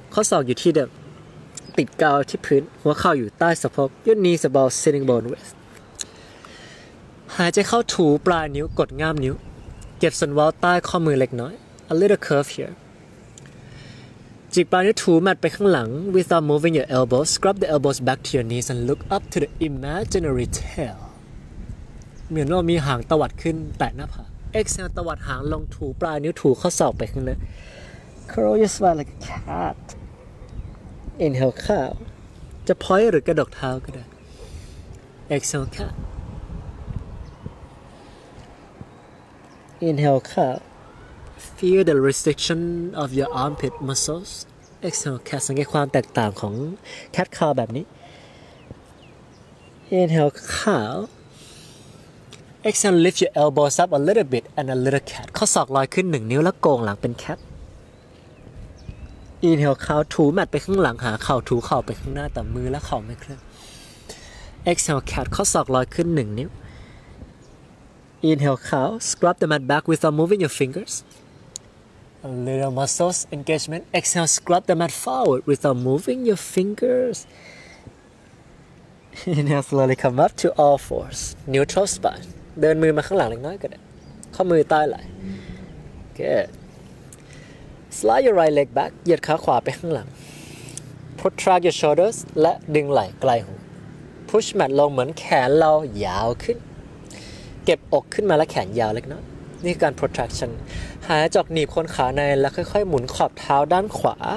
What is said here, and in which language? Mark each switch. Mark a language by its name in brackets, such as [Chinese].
[Thai] ข้อศอกอยู่ที่เดิมติดกาวที่พื้นหัวเข่าอยู่ใต้สะโพก [English] Your knees about sitting bone width. [Thai] หายใจเข้าถูปลายนิ้วกดง่ามนิ้วเก็บส่วนเว้าใต้ข้อมือเล็กน้อย [English] A little curve here. [Thai] จิกปลายนิ้วถูแมตไปข้างหลัง [English] without moving your elbow. Scrub the elbows back to your knees and look up to the imaginary tail. [Thai] เหมือนเรามีหางตวัดขึ้นแตะหน้าผาก [English] Exhale, [Thai] ตวัดหางลงถูปลายนิ้วถูข้อศอกไปข้างหน้า [English] Curl your spine like a cat. Inhale, cow. [Thai] จะพอยหรือกระดกเท้าก็ได้ [English] Exhale, cat. Inhale, cow. Feel the restriction of your armpit muscles. Exhale, cat. [Thai] สังเกตความแตกต่างของ cat cow แบบนี้ [English] Inhale, cow. Exhale, lift your elbows up a little bit and a little cat. [Thai] ข้อศอกลอยขึ้น1นิ้วแล้วโก่งหลังเป็นแคท [English] Inhale, cow. [Thai] ถูแมตไปข้างหลังหาเข่าถูเข่าไปข้างหน้าแต่มือและเข่าไม่เคลื่อน [English] Exhale, cat. [Thai] ข้อศอกลอยขึ้น1นิ้ว [English] Inhale, cow. Scrub the mat back without moving your fingers. A little muscles engagement. Exhale, scrub the mat forward without moving your fingers. Inhale, slowly come up to all fours. Neutral spine. [Thai] เดินมือมาข้างหลังเล็กน้อยก็ได้ ข้อมือใต้ไหล [English] Good Slide your right leg back [Thai] เหยียดขาขวาไปข้างหลัง [English] Protract your shoulders [Thai] และดึงไหล่ใกล้หู [English] Push mat [Thai] ลงเหมือนแขนเรายาวขึ้นเก็บอกขึ้นมาและแขนยาวเล็กน้อยนี่คือการ protraction หายจอกหนีบคนขาในแล้วค่อยๆหมุนขอบเท้าด้านขวา